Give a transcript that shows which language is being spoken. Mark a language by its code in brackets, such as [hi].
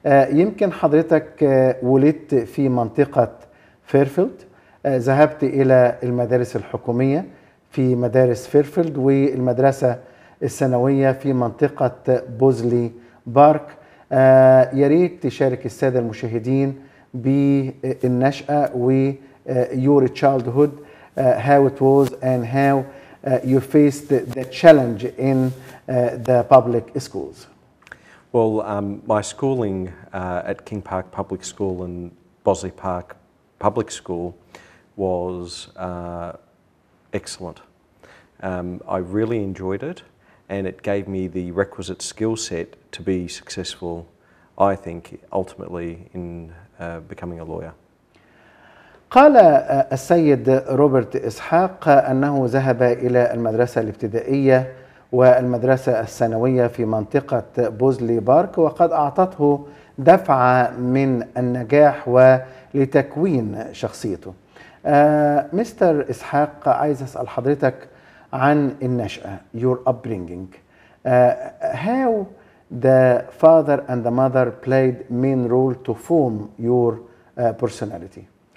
[ar] يمكن حضرتك ولدت في منطقة فيرفيلد، ذهبت إلى المدارس الحكومية في مدارس فيرفيلد والمدرسة الثانوية في منطقة بوزلي بارك. ياريت تشارك السادة المشاهدين بالنشأة [en] ويور childhood, how it was and how you faced the challenge in the public schools. Well, my schooling at King Park Public School and Bosley Park Public School was excellent. I really enjoyed it and it gave me the requisite skill set to be successful, I think, ultimately in becoming a lawyer. [ar] قال السيد روبيرت إسحاق أنه ذهب إلى المدرسة الابتدائية والمدرسة الثانوية في منطقة بوزلي بارك، وقد أعطته دفعة من النجاح ولتكوين شخصيته. مستر إسحاق، عايز أسأل حضرتك عن النشأة، [en] your upbringing. How the father and the mother played main role to form your personality?